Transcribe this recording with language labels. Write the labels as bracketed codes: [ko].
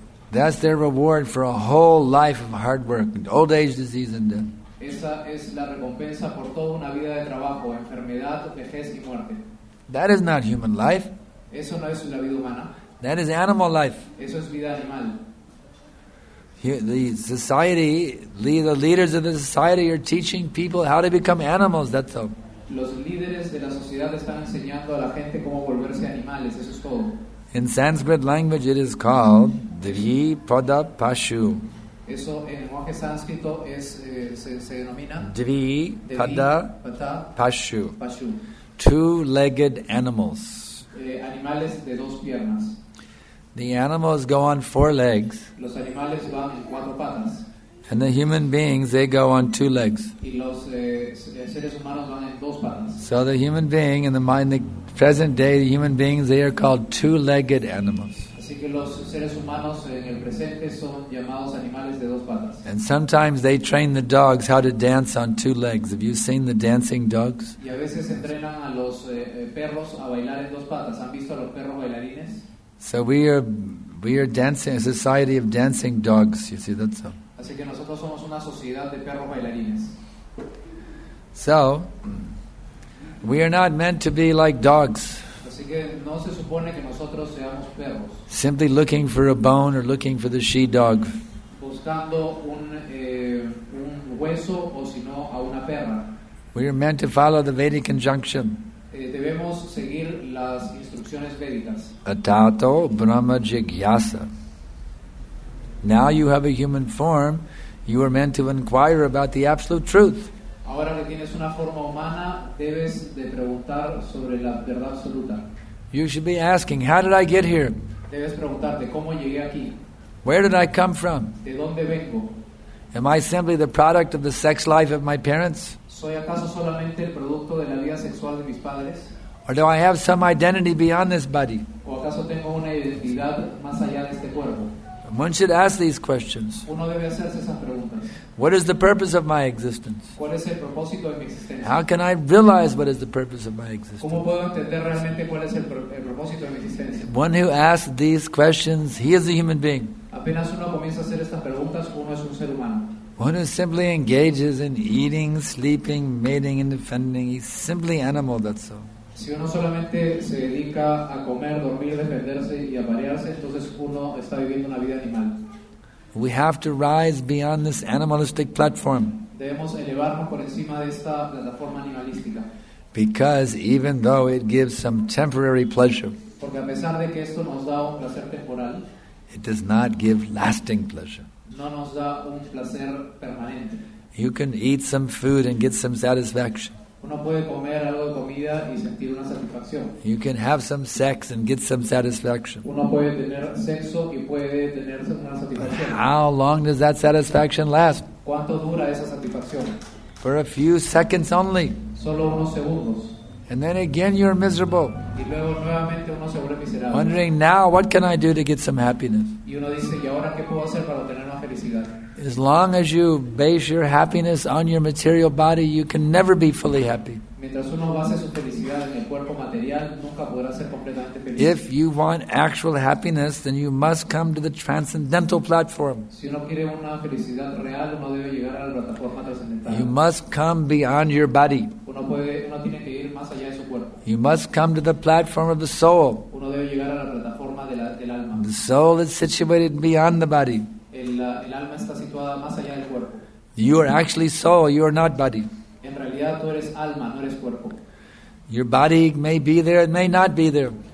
[en] That's their reward for a whole life of hard work, old age, disease and death. [es] Esa es la recompensa por toda una vida de trabajo, enfermedad, vejez y muerte. [en] That is not human life. [es] Eso no es la vida humana. [en] That is animal life. [es] Eso es vida animal. [en] The society, the leaders of the society are teaching people how to become animals, that's all. [es] Los líderes de la sociedad están enseñando a la gente cómo volverse animales, eso es todo. [en] In Sanskrit language it is called Dhi Pada Pashu. [es] Eso en lenguaje sánscrito es se denomina [sa] Dhi Pada Pashu. [en] Two-legged animals. [es] Animales de dos piernas. [en] The animals go on four legs. [es] Los animales van en cuatro patas. [en] And the human beings, they go on two legs. [es] Y los seres humanos van en dos patas. [en] So the human being in the mind, the present day, the human beings, they are called two-legged animals. [es] Así que los seres humanos en el presente son llamados animales de dos patas. [en] And sometimes they train the dogs how to dance on two legs. Have you seen the dancing dogs? [es] Y a veces entrenan a los perros a bailar en dos patas. ¿Han visto a los perros bailarines? [en] So we are dancing, a society of dancing dogs. You see, that's all. [es] Así que nosotros somos una sociedad de perros bailarines. [en] So we are not meant to be like dogs. [es] Así que no se supone que nosotros seamos perros. [en] Simply looking for a bone or looking for the she-dog. [es] Buscando un hueso o si no a una perra. [en] We are meant to follow the Vedic injunction. [es] Debemos seguir las instrucciones védicas. [sa] Atato Brahma Jigyasa. [en] Now you have a human form, you are meant to inquire about the absolute truth. [es] Ahora que tienes una forma humana, debes de preguntar sobre la verdad absoluta. [en] You should be asking, how did I get here? [es] Debes preguntarte, ¿cómo llegué aquí? [en] Where did I come from? [es] ¿De dónde vengo? [en] Am I simply the product of the sex life of my parents? [es] ¿Soy acaso solamente el producto de la vida sexual de mis padres? [en] Or do I have some identity beyond this body? [es] ¿O acaso tengo una identidad más allá de este cuerpo? [en] One should ask these questions. [es] Uno debe hacerse esas preguntas. [en] What is the purpose of my existence? [es] ¿Cuál es el propósito de mi existencia? [en] How can I realize what is the purpose of my existence? [es] ¿Cómo puedo entender realmente cuál es el propósito de mi existencia? [en] One who asks these questions, he is a human being. [es] Apenas uno comienza a hacer estas preguntas, uno es un ser humano. [en] One who simply engages in eating, sleeping, mating, and defending, he's simply animal, that's all. [es] Si uno solamente se dedica a comer, dormir, defenderse y aparearse, entonces uno está viviendo una vida animal. [en] We have to rise beyond this animalistic platform. [es] Debemos elevarnos por encima de esta plataforma animalística. [en] Because even though it gives some temporary pleasure, [es] porque a pesar de que esto nos da un placer temporal, [en] it does not give lasting pleasure. [es] No nos da un placer permanente. [en] You can eat some food and get some satisfaction. [es] Uno puede comer algo de comida y sentir una satisfacción. [en] You can have some sex and get some satisfaction. [es] Uno puede tener sexo y puede tener una satisfacción. [en] But how long does that satisfaction last? [es] ¿Cuánto dura esa satisfacción? [en] For a few seconds only. [es] Solo unos segundos. [en] And then again you're miserable. [es] Y luego nuevamente uno se vuelve miserable. [en] Wondering now, what can I do to get some happiness? [es] Y uno dice, ¿y ahora qué puedo hacer para obtener una felicidad? [en] As long as you base your happiness on your material body, you can never be fully happy. [es] Mientras uno base su felicidad en el cuerpo material, nunca podrá ser completamente feliz. [en] If you want actual happiness, then you must come to the transcendental platform. [es] Si uno quiere una felicidad real, uno debe llegar a la plataforma transcendental. [en] You must come beyond your body. [es] Uno tiene que ir más allá de su cuerpo. [en] You must come to the platform of the soul. [es] Uno debe llegar a la plataforma del alma. [en] The soul is situated beyond the body. [es] El alma está situada más allá del cuerpo. [en] You are actually soul, you are not body. [es] En realidad tú eres alma, no eres cuerpo. [en] Your body may be there, it may not be there.